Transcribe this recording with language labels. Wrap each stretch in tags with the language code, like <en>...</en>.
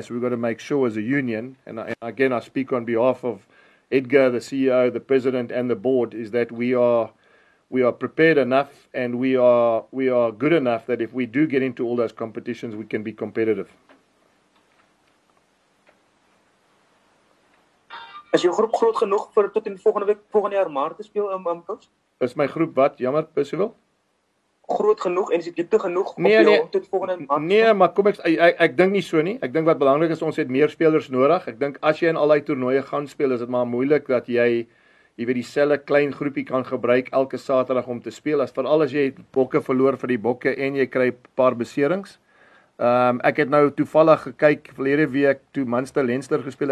<en>So we've got to make sure as a union, and again, I speak on behalf of Edgar, the CEO, the president, and the board, is that we are prepared enough and we are good enough that if we do get into all those competitions, we can be competitive. Is your group</en> <af>groot genoeg for tot in volgende week, volgende jaar maart te speel, coach?</af> <en>Is my group what? Jammer, Percival?</en> <af>Groot genoeg en is die diepte genoeg tot volgende maand? Nee, maar kom ek dink nie so nie. Ek dink wat belangrik is, ons het meer spelers nodig. Ek dink as jy in al die toernooie gaan speel, is dit maar moeilik dat jy weet dieselfde klein groepie kan gebruik elke Saterdag om te speel. As vooral as jy bokke verloor vir die bokke en jy kry 'n paar beserings. Ek het nou toevallig gekyk verlede week toe Munster Leinster gespeel.</af>